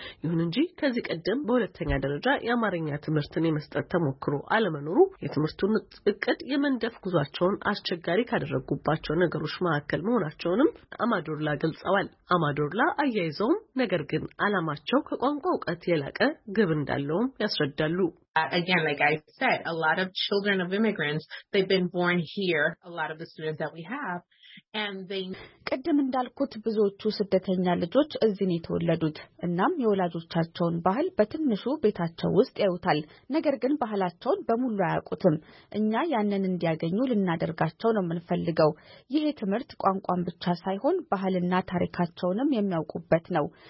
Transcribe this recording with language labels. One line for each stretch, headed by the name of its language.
Amharic: ይሁን እንጂ ከዚህ ቀደም በሁለተኛ ደረጃ የአማርኛ ትምህርትን የመስጠት ተሞክሮ አለመኖሩ የትምህርቱን እቅድ የመንደፍ ጉዟቸውን አስቸጋሪ ካደረጉባቸው ነገሮች መካከል መሆናቸውንም አማዶርላ ገልጸዋል። አማዶርላ አያይዘውም ነገር ግን አላማቸው ከቋንቋው ቀጥ የላቀ ግብ እንዳለውም ያስረዳሉ።
English: Again, like I said, a lot of children of immigrants, they've been born here, a lot of the students that we have.
Amharic: ቀደም እንዳልኩት ብዙዎቹ ስደተኛ ልጆች እዚህ ነው የተወለዱት እናም የወላጆቻቸውን ባህል በትንሹ ቤታቸው ውስጥ ያውታል ነገር ግን ባህላቸውን በሙሉ ያውቁትም እኛ ያንን እንዲያገኙ ልናደርጋቸው ነው የምንፈልገው ይሄ ትምህርት ቋንቋን ብቻ ሳይሆን ባህልና ታሪካቸውንም የሚያውቁበት ነው